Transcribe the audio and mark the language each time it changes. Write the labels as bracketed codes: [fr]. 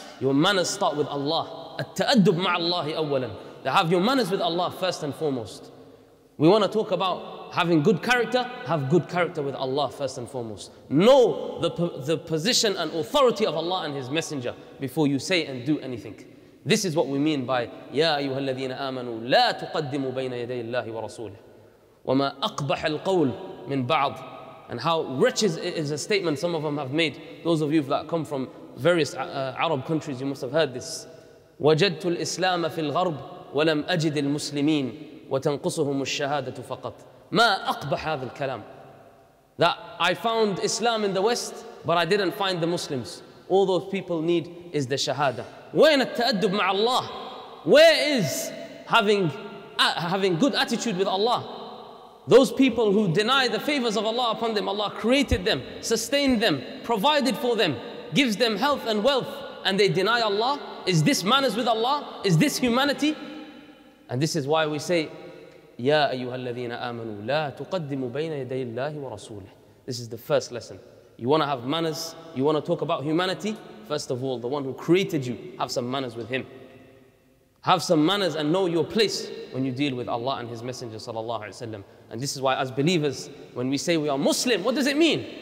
[en] Your manners start with Allah. [ar] التأدب مع الله أولا. [en] They have your manners with Allah first and foremost. We want to talk about having good character. Have good character with Allah first and foremost. Know the position and authority of Allah and His Messenger before you say and do anything. This is what we mean by [ar] يَا أَيُّهَا الَّذِينَ آمَنُوا لَا تُقَدِّمُوا بَيْنَ يَدَيِ اللَّهِ وَرَسُولِهِ وَمَا أَقْبَحَ الْقَوْلِ مِنْ بَعْضٍ. [en] And how rich is a statement some of them have made. Those of you that come from various Arab countries, you must have heard this. [ar] وَجَدْتُ الْإِسْلَامَ فِي الْغَرْبِ وَلَمْ أَجِدِ الْمُسْلِمِينَ وَتَنْقُصُهُمُ الشَّهَادَةُ فَقَطْ. مَا أَقْبَحَ هَذَا الْكَلَامِ. [en] That I found Islam in the West, but I didn't find the Muslims. All those people need is the shahada. [ar] وَيْنَ التَّأَدُّبْ مَعَ اللَّهِ. [en] Where is having good attitude with Allah? Those people who deny the favors of Allah upon them, Allah created them, sustained them, provided for them, gives them health and wealth, and they deny Allah. Is this manners with Allah? Is this humanity? And this is why we say, [ar] يَا أَيُّهَا الَّذِينَ آمَنُوا لَا تُقَدِّمُوا بَيْنَ يَدَيِ اللَّهِ وَرَسُولِهِ. [en] This is the first lesson. You want to have manners, you want to talk about humanity, first of all, the one who created you, have some manners with him. Have some manners and know your place when you deal with Allah and His Messenger sallallahu alayhi wa sallam. And this is why as believers, when we say we are Muslim, what does it mean?